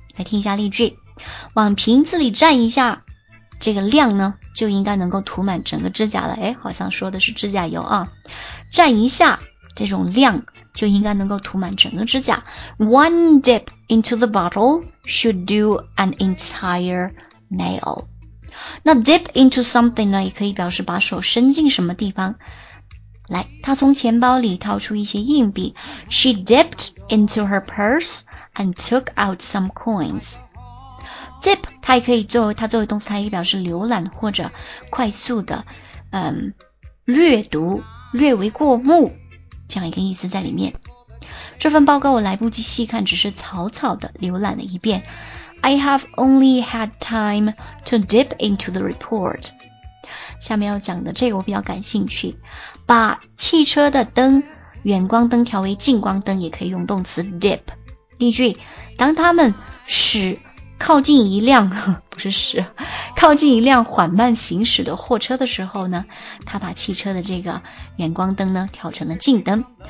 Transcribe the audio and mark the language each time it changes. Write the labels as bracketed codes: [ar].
[zh] 来听一下例句，往瓶子里蘸一下，这个量呢就应该能够涂满整个指甲了。哎，好像说的是指甲油啊，蘸一下这种量就应该能够涂满整个指甲。 [en] One dip into the bottle should do an entire nail。 [zh] 那 [en] dip into something [zh] 呢，也可以表示把手伸进什么地方。来，她从钱包里掏出一些硬币。 [en] She dipped into her purse and took out some coins。 [zh] dip 它也可以作为，它作为动词它也表示浏览或者快速的略读，略为过目，这样一个意思在里面。这份报告我来不及细看，只是草草的浏览了一遍。 [en] I have only had time to dip into the report。 [zh] 下面要讲的这个我比较感兴趣，把汽车的灯远光灯调为近光灯，也可以用动词 dip。例句，当他们驶靠近一辆，不是驶，靠靠近一辆缓慢行驶的货车的时候呢，他把汽车的这个远光灯呢调成了近灯。